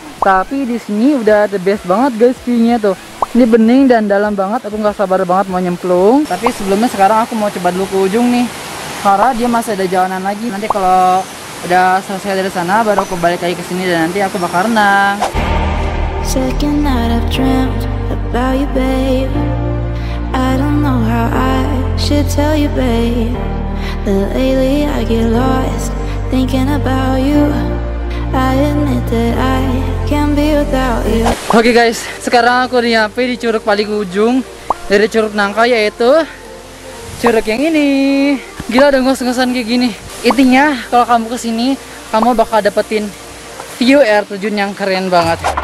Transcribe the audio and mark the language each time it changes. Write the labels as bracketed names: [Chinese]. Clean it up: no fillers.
[Indonesian] Tapi di sini udah [English] the best [Indonesian] banget guys view-nya tuh. Ini bening dan dalam banget, aku nggak sabar banget mau nyemplung. Tapi sebelumnya sekarang aku mau coba dulu ke ujung nih, karena dia masih ada jalanan lagi. Nanti kalau udah selesai dari sana baru aku balik lagi ke sini dan nanti aku bakal renang. [English] Second night I've dreamt about you babe. I don't know how I should tell you babe. Lately I get lost thinking about you. I admit that I can't be without you. [Indonesian] Oke guys, sekarang aku udah nyampe di curug paling ujung dari curug Nangka, yaitu curug yang ini. Gila, udah ngos-ngosan kayak gini. Intinya kalau kamu kesini, kamu bakal dapetin view air terjun yang keren banget.